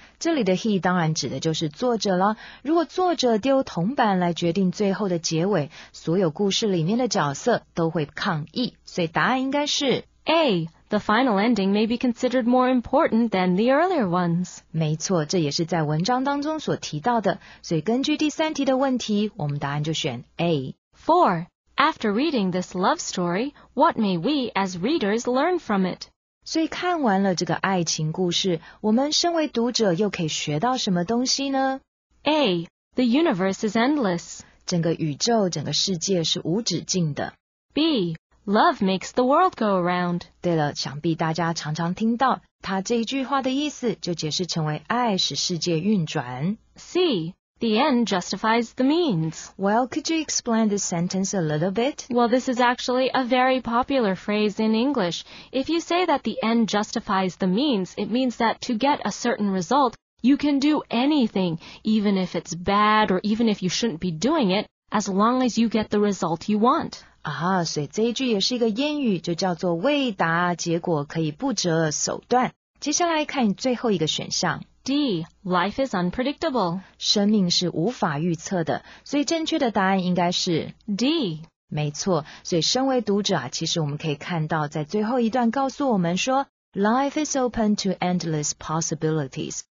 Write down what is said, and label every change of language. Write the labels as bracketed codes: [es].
[zh] 这里的 he 当然指的就是作者了。如果作者丢铜板来决定最后的结尾，所有故事里面的角色都会抗议。所以答案应该是 [en] A. The final ending may be considered more important than the earlier ones. [zh] 没错，这也是在文章当中所提到的。所以根据第三题的问题，我们答案就选 A. [en] 4. After reading this love story, what may we as readers learn from it? [zh] 所以看完了这个爱情故事，我们身为读者又可以学到什么东西呢？ [en] A. The universe is endless. [zh] 整个宇宙，整个世界是无止境的。 [en] B. Love makes the world go around. [zh] 对了，想必大家常常听到，他这一句话的意思就解释成为爱使世界运转。 [en] C. The end justifies the means. Well, could you explain this sentence a little bit? Well, this is actually a very popular phrase in English. If you say that the end justifies the means, it means that to get a certain result, you can do anything, even if it's bad or even if you shouldn't be doing it, as long as you get the result you want. [zh] 啊，所以这一句也是一个谚语，就叫做为达结果可以不择手段。接下来看最后一个选项。 [en] D. Life is unpredictable. [zh] 生命是无法预测的，所以正确的答案应该是 [en] D. [zh] 没错，所以身为读者啊，其实我们可以看到在最后一段告诉我们说 [en] Life is open to endless possibilities.